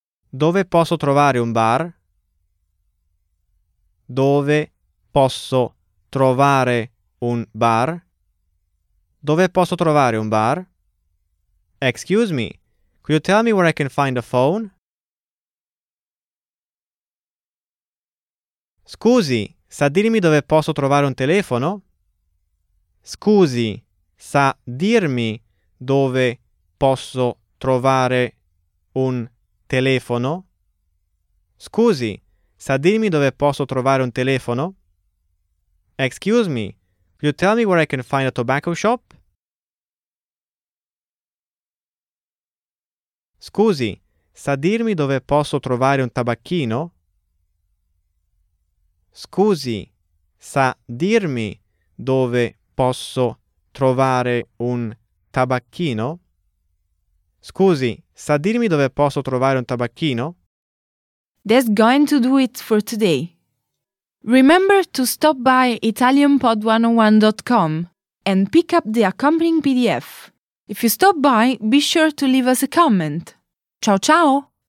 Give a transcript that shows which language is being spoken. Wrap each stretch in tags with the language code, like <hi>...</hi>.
<it>Dove posso trovare un bar? Dove posso trovare un bar? Dove posso trovare un bar?</it> <en>Excuse me, could you tell me where I can find a phone?</en> <it>Scusi, sa dirmi dove posso trovare un telefono? Scusi, sa dirmi dove posso trovare un telefono? Scusi, sa dirmi dove posso trovare un telefono?</it> <en>Excuse me, could you tell me where I can find a tobacco shop?</en> <it>Scusi, sa dirmi dove posso trovare un tabacchino? Scusi, sa dirmi dove posso trovare un tabacchino? Scusi, sa dirmi dove posso trovare un tabacchino?</it> <en>That's going to do it for today. Remember to stop by italianpod101.com and pick up the accompanying PDF. If you stop by, be sure to leave us a comment.</en> <it>Ciao ciao!</it>